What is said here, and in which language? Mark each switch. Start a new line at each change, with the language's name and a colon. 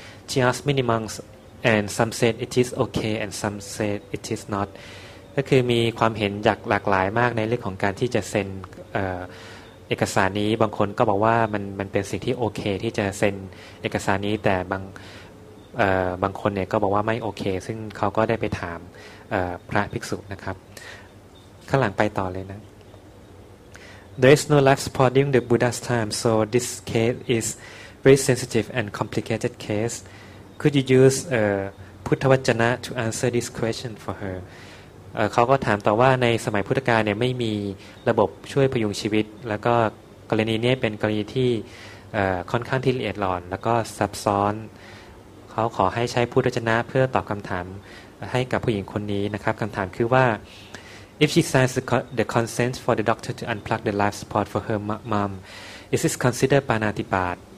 English: She asked many monks, and some said it is okay, and some said it is not.
Thai: ก็คือมีความเห็นจากหลากหลายมากในเรื่องของการที่จะเซ็นเอกสารนี้บางคนก็บอกว่ามันเป็นสิ่งที่โอเคที่จะเซ็นเอกสารนี้แต่บางคนเนี่ยก็บอกว่าไม่โอเคซึ่งเขาก็ได้ไปถามพระภิกษุนะครับข้างหลังไปต่อเลยนะ
English: There is no life support during the Buddha's time, so this case is very sensitive and complicated case. Could you use Puttha Vajana to answer this question for her?
Thai: เขาก็ถามต่อว่าในสมัยพุทธกาลเนี่ยไม่มีระบบช่วยพยุงชีวิตแล้วก็กรณีนี้เป็นกรณีที่ค่อนข้างที่ละเอียดอ่อนแล้วก็ซับซ้อนเขาขอให้ใช้พุทธวจนะเพื่อตอบคำถามให้กับผู้หญิงคนนี้นะครับคำถามคือว่า
English: If she signs the consent for the doctor to unplug the life support for her mom, is this considered panatipat?